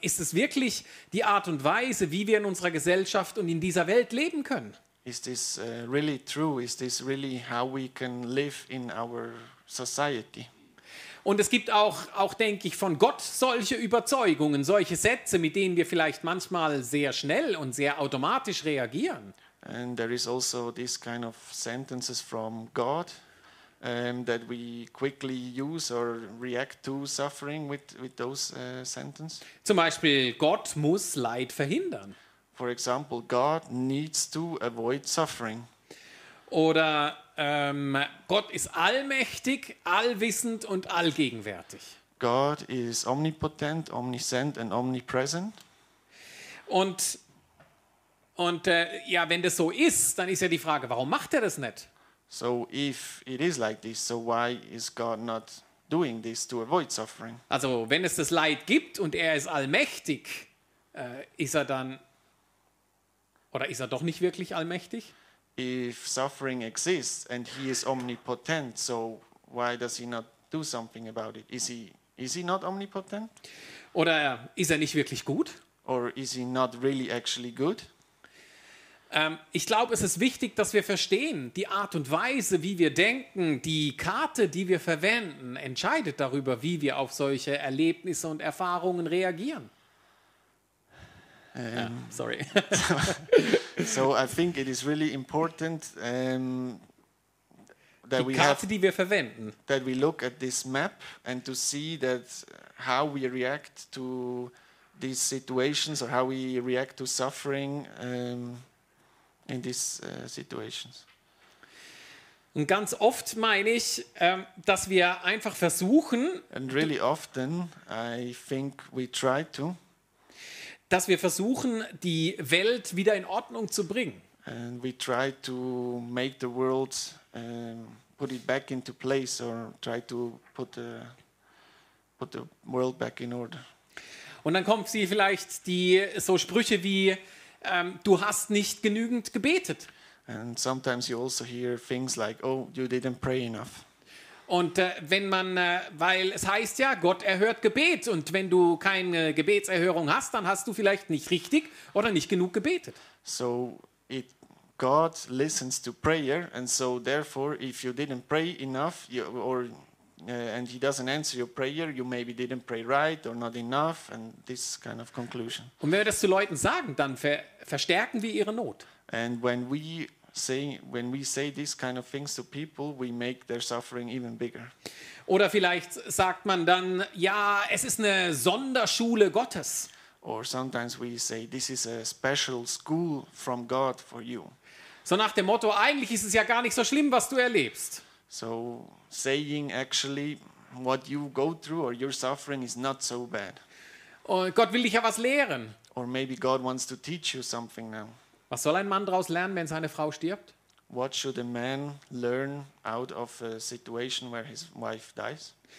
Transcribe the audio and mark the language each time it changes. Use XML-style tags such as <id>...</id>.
<de>Ist es wirklich die Art und Weise, wie wir in unserer Gesellschaft und in dieser Welt leben können?</de> <en>Is this really true? Is this really how we can live in our society?</en> <de>Und es gibt auch, denke ich, von Gott solche Überzeugungen, solche Sätze, mit denen wir vielleicht manchmal sehr schnell und sehr automatisch reagieren.</de> <en>And there is also this kind of sentences from God that we quickly use or react to suffering with those sentences.</en> <de>Zum Beispiel, Gott muss Leid verhindern.</de> <en>For example, God needs to avoid suffering.</en> <de>Oder Gott ist allmächtig, allwissend und allgegenwärtig.</de> <en>God is omnipotent, omniscient and omnipresent.</en> <de>Und wenn das so ist, dann ist ja die Frage, warum macht er das nicht?</de> <en>So if it is like this, so why is God not doing this to avoid suffering?</en> <de>Also, wenn es das Leid gibt und er ist allmächtig, ist er dann oder ist er doch nicht wirklich allmächtig?</de> <en>If suffering exists and he is omnipotent, so why does he not do something about it? Is he not omnipotent?</en> <de>Oder ist er nicht wirklich gut?</de> <en>Or is he not really actually good?</en> <de>Ich glaube, es ist wichtig, dass wir verstehen, die Art und Weise, wie wir denken, die Karte, die wir verwenden, entscheidet darüber, wie wir auf solche Erlebnisse und Erfahrungen reagieren.</de> <en>Sorry. So I think it is really important that</en> <de>die Karte, die wir verwenden.</de> <en>That we look at this map and to see that how we react to these situations or how we react to suffering in these situations.</en> <de>Und ganz oft meine ich, dass wir einfach versuchen.</de> <en>And really often I think we try to.</en> <de>Dass wir versuchen, die Welt wieder in Ordnung zu bringen.</de> <en>And we try to make the world put it back into place or try to put the world back in order.</en> <de>Und dann kommen sie vielleicht die so Sprüche wie du hast nicht genügend gebetet.</de> <en>And sometimes you also hear things like oh you didn't pray enough.</en> <de>Und wenn man, weil es heißt ja, Gott erhört Gebet und wenn du keine Gebetserhörung hast, dann hast du vielleicht nicht richtig oder nicht genug gebetet.</de> <en>So it God listens to prayer and so therefore if you didn't pray enough and he doesn't answer your prayer, you maybe didn't pray right or not enough and this kind of conclusion.</en> <de>Und wenn wir das zu Leuten sagen, dann verstärken wir ihre Not.</de> <en>And when we say these kind of things to people, we make their suffering even bigger.</en> <de>Oder vielleicht sagt man dann, ja, es ist eine Sonderschule Gottes.</de> <en>Or sometimes we say this is a special school from God for you.</en> <de>So nach dem Motto, eigentlich ist es ja gar nicht so schlimm, was du erlebst.</de> <en>So saying actually what you go through or your suffering is not so bad.</en> <de>Und Gott will dich ja was lehren.</de> <en>Or maybe God wants to teach you something now.</en> <de>Was soll ein Mann daraus lernen, wenn seine Frau stirbt?</de> <en>What should a man learn out of a situation where his wife dies?</en>